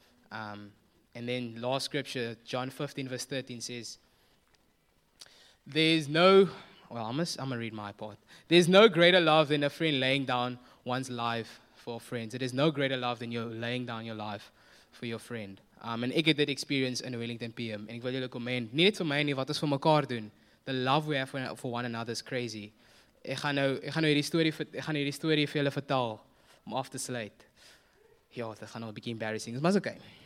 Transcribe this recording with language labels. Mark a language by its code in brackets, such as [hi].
[en] And then last scripture, John 15 verse 13 says, I'm gonna read my part. There's no greater love than a friend laying down one's life for friends. There is no greater love than you laying down your life for your friend. [af] And ek het dit experience in Wellington PM. And ek wil julle komment, nie net vir my nie, wat ons vir mekaar doen. [en] The love we have for one another is crazy. [af] Ek gaan nou hierdie story vir julle vertel om af te sluit. Ja, dit gaan nou 'n bietjie embarrassing, maar's okay.